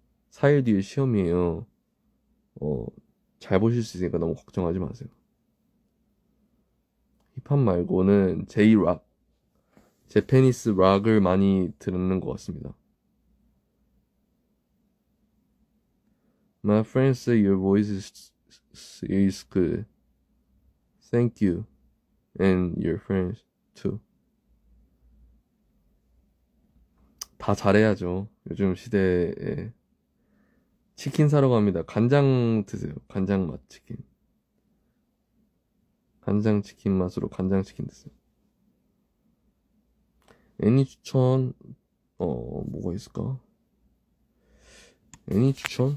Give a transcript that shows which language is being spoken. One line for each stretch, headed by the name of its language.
Korean: 4일 뒤에 시험이에요. 잘 보실 수 있으니까 너무 걱정하지 마세요. 힙합 말고는 J-Rock, 재패니스 락을 많이 듣는 것 같습니다.
English: My friends say your voice is good. Thank you. And your friends too.
Korean: 다 잘해야죠. 요즘 시대에 치킨 사러 갑니다. 간장 드세요. 간장 맛 치킨. 간장 치킨 맛으로 간장 치킨 드세요. 애니 추천, 뭐가 있을까? 애니 추천?